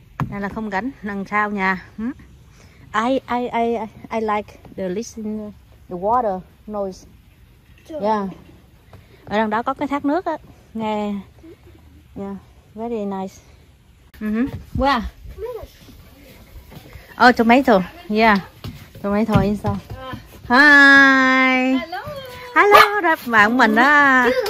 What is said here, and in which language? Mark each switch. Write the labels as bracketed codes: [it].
[vi] Đây là khung cảnh đằng sau nhà. [en] I like the listen the water noise. Yeah. [vi] Ở đằng đó có cái thác nước á, nghe. [en] Yeah, very nice. Wow. Oh, tomato. Yeah. Tomato inside. Hi. Hello. [vi] Hello, đáp bạn mình đó.